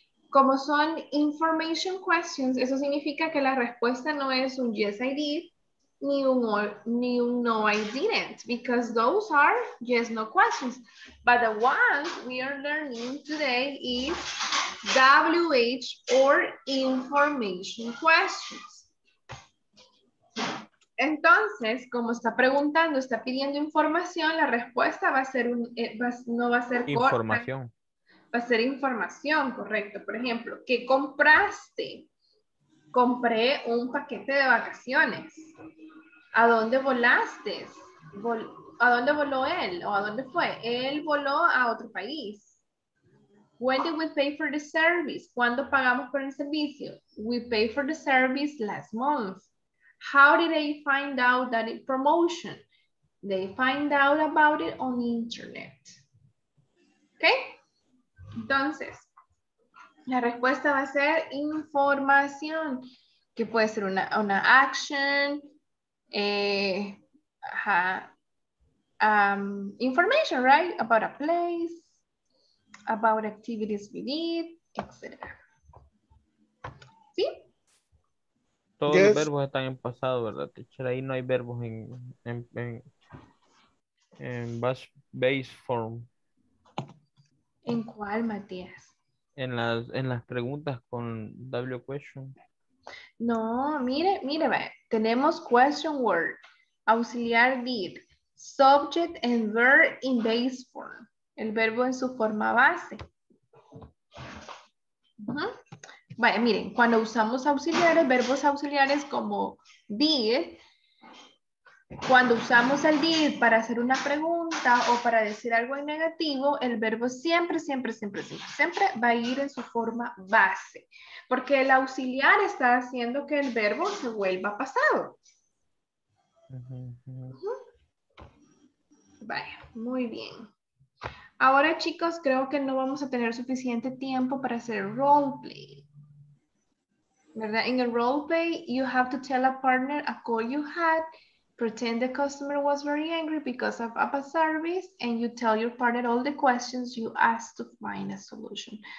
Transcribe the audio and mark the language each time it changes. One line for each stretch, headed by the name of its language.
Spanish: Como son
English: information questions,
Spanish: eso significa que la respuesta no es un
English: yes, I did,
Spanish: ni un no,
English: I didn't, because those are yes, no questions. But the one we are learning today is WH or information questions.
Spanish: Entonces, como está preguntando, está pidiendo información, la respuesta va a ser un, no va a ser información. Corta. Va a ser información, correcto. Por ejemplo, ¿qué compraste? Compré un paquete de vacaciones. ¿A dónde volaste? ¿A dónde voló él? ¿O a dónde fue? Él voló a otro país.
English: When did we pay for the service?
Spanish: ¿Cuándo pagamos por el servicio?
English: We paid for the service last month. How did they find out that it promotion? They find out about it on the internet. Okay?
Spanish: Entonces, la respuesta va a ser información, que puede ser una
English: action, information, right? About a place, about activities we did, etc.
Spanish: ¿Sí? Todos yes. Los verbos están en pasado, ¿verdad, teacher? Ahí no hay verbos en base form. ¿En cuál, Matías? En las preguntas con W question. No, mire, ve. Tenemos
English: question word, auxiliar did, subject and verb in base form.
Spanish: El verbo en su forma base. Vaya, miren, cuando usamos auxiliares, verbos auxiliares como did, cuando usamos el did para hacer una pregunta o para decir algo en negativo, el verbo siempre va a ir en su forma base. Porque el auxiliar está haciendo que el verbo se vuelva pasado. Vaya, muy bien. Ahora, chicos, creo que no vamos a tener suficiente tiempo para hacer roleplay. ¿Verdad?
English: In a role play, you have to tell a partner a call you had, pretend the customer was very angry because of a service, and you tell your partner all the questions you asked to find a solution.